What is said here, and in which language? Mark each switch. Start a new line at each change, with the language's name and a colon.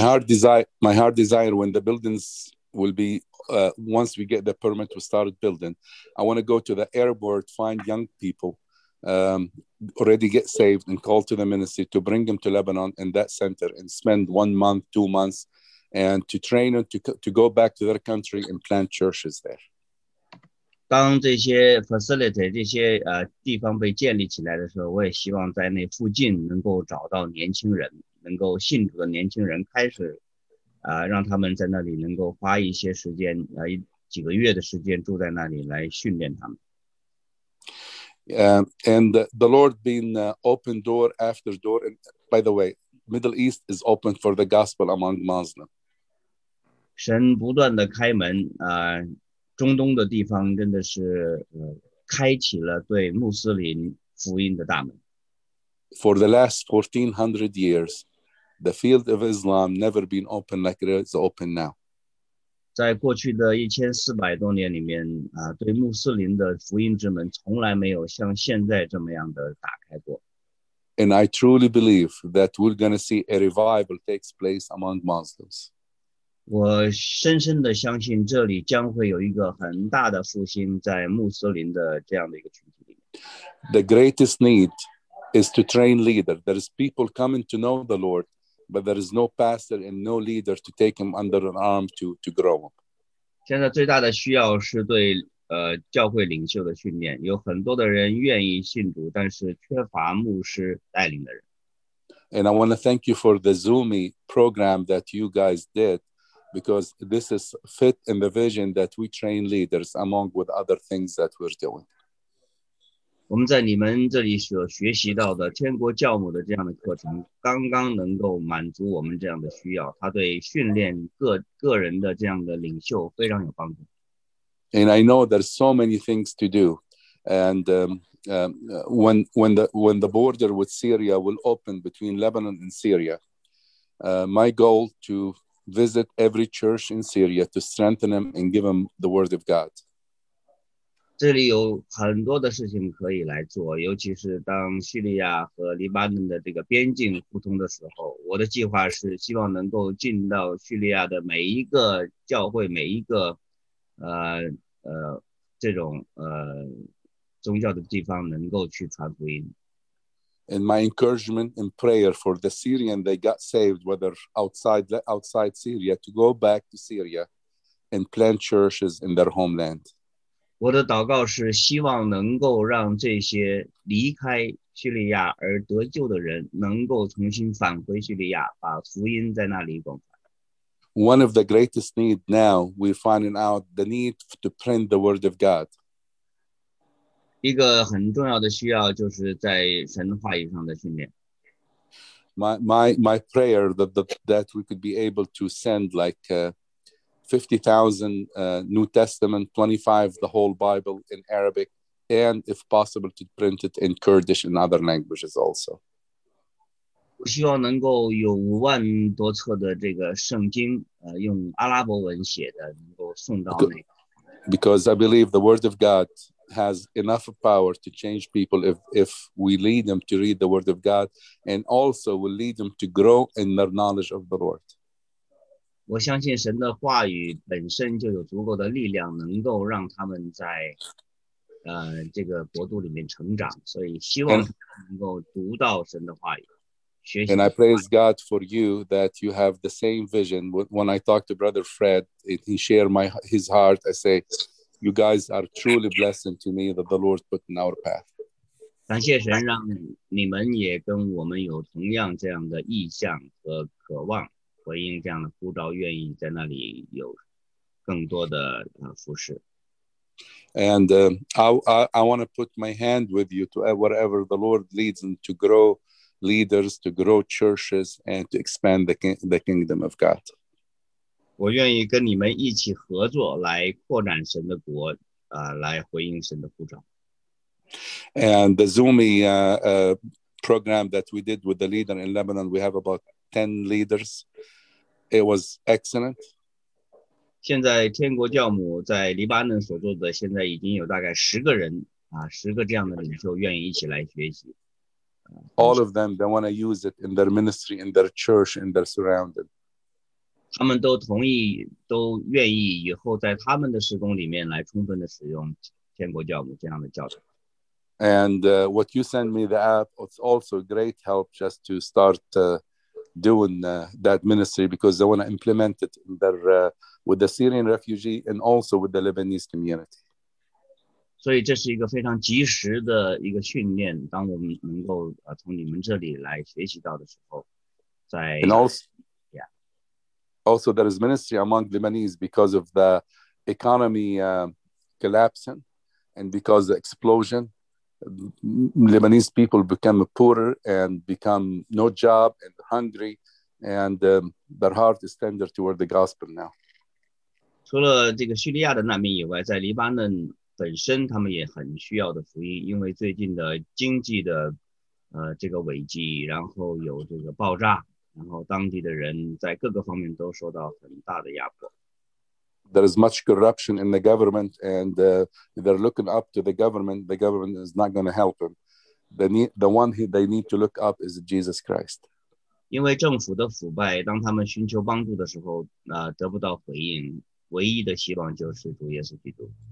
English: My heart desire when the buildings will be, once we get the permit to start building, I want to go to the airport, find young people, already get saved and call to the ministry to bring them to Lebanon in that center and spend 1 month, 2 months, and to train them to go back to their country and plant churches there.
Chinese: 当这些 facility 这些地方被建立起来的时候，我也希望在那附近能够找到年轻人，能够信主的年轻人，开始让他们在那里能够花一些时间，几个月的时间住在那里来训练他们。
English: And the Lord being open door after door, and by the way, Middle East is open for the gospel among Muslims.
Chinese: 神不断的开门中东的地方真的是开启了对穆斯林福音的大门。
English: For the last 1400 years, the field of Islam never been open like it is open now.
Chinese: 在过去的1400多年里面对穆斯林的福音之门从来没有像现在这么样的打开过。
English: And I truly believe that we're going to see a revival takes place among Muslims.
Chinese: 我深深地相信这里将会有一个很大的复兴在穆斯林的这样的一个群体里面。
English: The greatest need is to train leaders. There is people coming to know the Lord, but there is no pastor and no leader to take him under an arm to grow up.
Chinese: 现在最大的需要是对教会领袖的训练。有很多的人愿意信主，但是缺乏牧师带领的人。
English: And I want to thank you for the Zoomy program that you guys did. Because this is fit in the vision that we train leaders among with other things that we're doing.
Chinese: 我们在你们这里所学习到的天国教母的这样的课程，刚刚能够满足我们这样的需要。它对训练个人的这样的领袖非常有帮助。
English: And I know there's so many things to do, and when the border with Syria will open between Lebanon and Syria, my goal to visit every church in Syria to strengthen them and give them the word of God.
Chinese: 这里有很多的事情可以来做，尤其是当叙利亚和黎巴嫩的这个边境互通的时候，我的计划是希望能够进到叙利亚的每一个教会，每一个这种宗教的地方能够去传福音。
English: And my encouragement and prayer for the Syrian they got saved, whether outside Syria, to go back to Syria and plant churches in their homeland.
Chinese: 我的祷告是希望能够让这些离开叙利亚而得救的人能够重新返回叙利亚，把福音在那里广传。
English: One of the greatest needs now, we're finding out the need to print the word of God.
Chinese: 一个很重要的需要就是在神话语上的训练。
English: My prayer that we could be able to send like 50,000 New Testament, 25 the whole Bible in Arabic, and if possible to print it in Kurdish and other languages also.
Chinese: 我希望能够有50,000多册的这个圣经，用阿拉伯文写的，能够送到那个。
English: Because I believe the word of God. Has enough power to change people if we lead them to read the word of God and also will lead them to grow in their knowledge of the Lord.
Chinese: 我相信神的话语本身就有足够的力量能够让他们在这个国度里面成长，所以希望能够读到神的话语，学习神的话语。
English: And I praise God for you that you have the same vision. When I talked to Brother Fred, he shared his heart. I say,You guys are truly blessing to me that the Lord put in our path.
Chinese: 感谢神让你们也跟我们有同样这样的意向和渴望，回应这样的呼召，愿意在那里有更多的服事。
English: And I want to put my hand with you to wherever the Lord leads them to grow leaders, to grow churches, and to expand the kingdom of God.
Chinese: 我愿意跟你们一起合作来扩展神的国来回应神的呼召。
English: And the Zoomy program that we did with the leader in Lebanon, we have about 10 leaders. It was excellent.
Chinese: 现在天国教母在黎巴嫩所做的现在已经有大概10个人10个这样的领袖愿意一起来学习。
English: All of them, they want to use it in their ministry, in their church, in their surrounding.
Chinese: 他们都同意，都愿意以后在他们的施工里面来充分的使用天国教母这样的教程。
English: And what you send me the app, it's also great help just to start doing that ministry because they want to implement it in their, with the Syrian refugee and also with the Lebanese community.
Chinese: 所以这是一个非常及时的一个训练，当我们能够从你们这里来学习到的时候，在。
English: And also, also there is ministry among Lebanese because of the economy collapsing and because of the explosion. Lebanese people become poorer and become no job and hungry, and their heart is tender toward the gospel now.
Chinese: 除了这个叙利亚的难民以外，在黎巴嫩本身，他们也很需要的福音，因为最近的经济的这个危机，然后有这个爆炸，然后当地的人在各个方面都受到很大的压迫。
English: There is much corruption in the government, and they're looking up to the government. The government is not going to help them. They need to look up is Jesus Christ.
Chinese: 因为政府的腐败，当他们寻求帮助的时候，得不到回应，唯一的希望就是主耶稣基督。